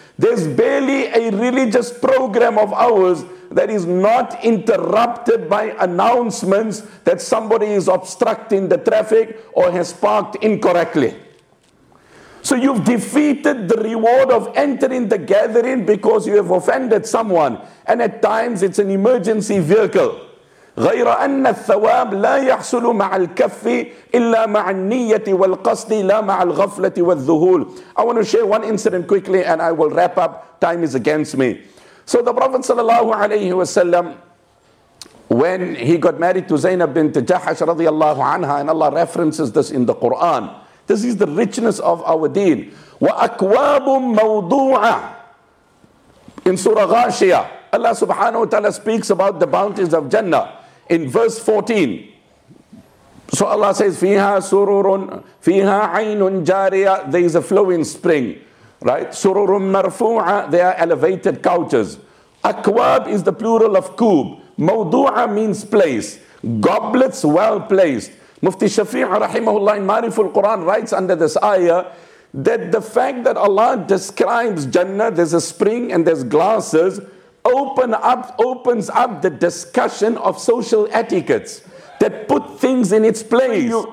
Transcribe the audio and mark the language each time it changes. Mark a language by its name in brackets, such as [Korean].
[English] There's barely a religious program of ours that is not interrupted by announcements that somebody is obstructing the traffic or has parked incorrectly. So you've defeated the reward of entering the gathering because you have offended someone. And at times it's an emergency vehicle. [Arabic] غَيْرَ أَنَّ الثَّوَابِ لَا يَحْصُلُ مَعَ الْكَفِّ إِلَّا مَعَ النِّيَّةِ وَالْقَصْدِ لَا مَعَ الْغَفْلَةِ وَالذُّهُولِ. [English] I want to share one incident quickly and I will wrap up. Time is against me. So the Prophet sallallahu alayhi wasallam, when he got married to Zainab bint Jahash radiallahu anha, and Allah references this in the Quran. This is the richness of our deen. [Arabic] وَأَكْوَابٌ مَوْضُوعَةٌ [English] in Surah Ghashiyah. Allah subhanahu wa ta'ala speaks about the bounties of Jannah in verse 14. So Allah says, [Arabic] فِيهَا سُرُرٌ فِيهَا عَيْنٌ جَارِيَةٌ. [English] There is a flowing spring, right? [Arabic] سُرُرٌ مَرْفُوعَةٌ. [English] They are elevated couches. Akwab is the plural of kub. Mawdu'a means place. Goblets well placed. Mufti Shafi'a rahimahullah in Ma'riful Quran writes under this ayah that the fact that Allah describes Jannah, there's a spring and there's glasses, opens up the discussion of social etiquettes that put things in its place.